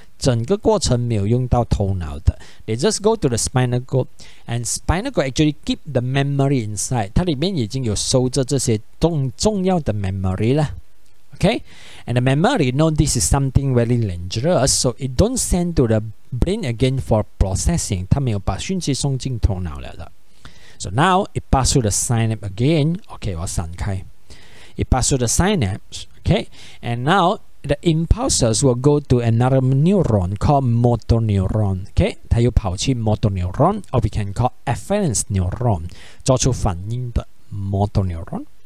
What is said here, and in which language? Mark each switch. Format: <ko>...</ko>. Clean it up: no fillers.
<zh>整个过程没有用到头脑的.</zh> <en>They just go to the spinal cord, and spinal cord actually keep the memory inside.</en> <zh>它里面已经有收着这些重要的 memory 了.</zh> <en>Okay, and the memory know this is something very dangerous, so it don't send to the brain again for processing.</en> <zh>它没有把讯息送进头脑了的.</zh> <en>So now it pass through the synapse again. Okay,</en> <zh>我闪开.</zh> <en>It pass through the synapse. Okay, and now the impulses will go to another neuron called motor neuron. Okay,</en> <zh>它又跑去</zh> <en>motor neuron, or we can call afferent neuron,</en> <zh>做出反应的</zh> <en>motor neuron.</en>